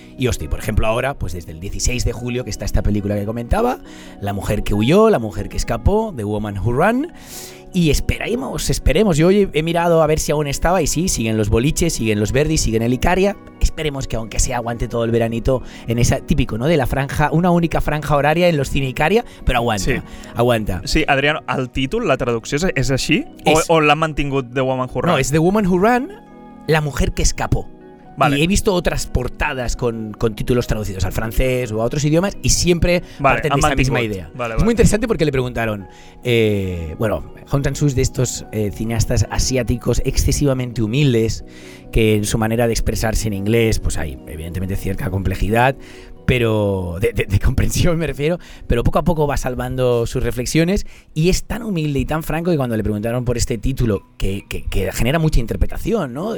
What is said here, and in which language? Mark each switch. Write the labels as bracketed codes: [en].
[es] Y hostia, por ejemplo, ahora, pues desde el 16 de julio que está esta película que comentaba, La mujer que huyó, La mujer que escapó, The Woman Who Ran, y esperemos, yo he mirado a ver si aún estaba, y sí, siguen los boliches, siguen los Verdi, siguen el Icaria, esperemos que aunque sea aguante todo el veranito en esa, típico, ¿no?, de la franja, una única franja horaria en los cine Icaria, pero aguanta, sí. Aguanta. [ca] Sí, Adrián, el títol, la traducció és així? O l'han mantingut The Woman Who Ran? No, és The Woman Who Ran, La mujer que escapó. [es] Vale. Y he visto otras portadas con títulos traducidos al francés o a otros idiomas y siempre parten de esa misma idea. Vale, es vale. Muy interesante porque le preguntaron, bueno, Hong Sang-soo es de estos cineastas asiáticos excesivamente humildes que en su manera de expresarse en inglés pues hay evidentemente cierta complejidad, pero de comprensión me refiero, pero poco a poco va salvando sus reflexiones y es tan humilde y tan franco que cuando le preguntaron por este título que genera mucha interpretación, ¿no?